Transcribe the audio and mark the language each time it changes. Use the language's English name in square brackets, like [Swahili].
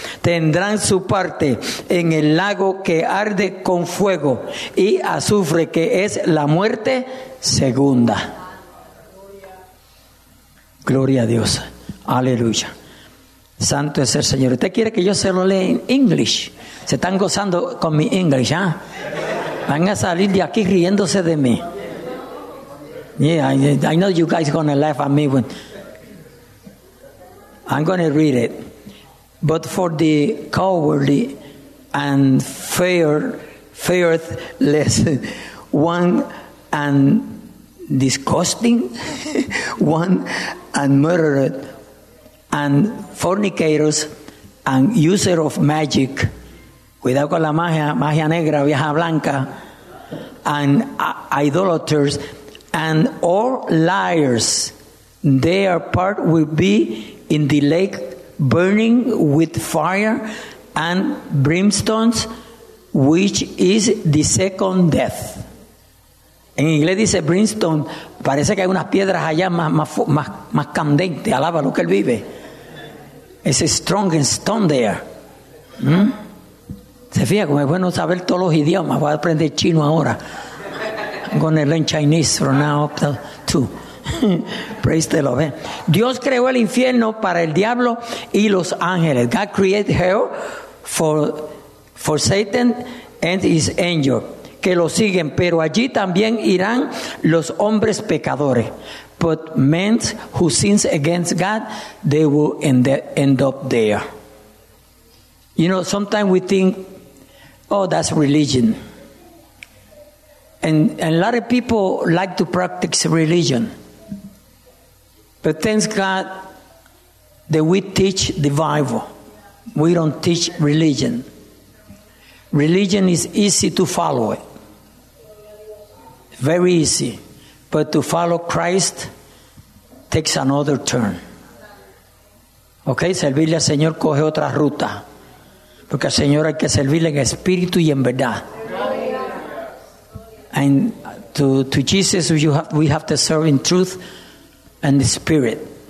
[Spanish] tendrán su parte en el lago que arde con fuego y azufre, que es la muerte segunda. Gloria a Dios. Aleluya. Santo es el Señor. ¿Usted quiere que yo se lo lea en English? ¿Se están gozando con mi English, ah? Van a salir de aquí riéndose de mí. [English] Yeah, I know you guys are going to laugh at me. When I'm going to read it. But for the cowardly and fearless one and disgusting one and murderer and fornicators and user of magic. [Spanish] Cuidado con la magia, magia negra, vieja blanca. [English] And idolaters and all liars, their part will be in the lake burning with fire and brimstones, which is the second death. [Spanish] En inglés dice brimstone, parece que hay unas piedras allá más candente. Alaba lo que él vive. [English] It's a strong stone there. [Spanish] Se fija, como es bueno saber todos los idiomas. Voy a aprender chino ahora. [English] I'm going to learn Chinese from now up to. Praise the Lord. [Spanish] Dios creó el infierno para el diablo y los ángeles. [English] God created hell for Satan and his angels, [Spanish] que lo siguen. Pero allí también irán los hombres pecadores. [English] But men who sins against God, they will end up there. You know, sometimes we think, oh, that's religion. And a lot of people like to practice religion. But thanks God that we teach the Bible. We don't teach religion. Religion is easy to follow. Very easy. But to follow Christ takes another turn. Okay? [Spanish] Servirle al Señor coge otra ruta. Porque al Señor hay que servirle en espíritu y en verdad. [English] And to Jesus we have to serve in truth and the spirit.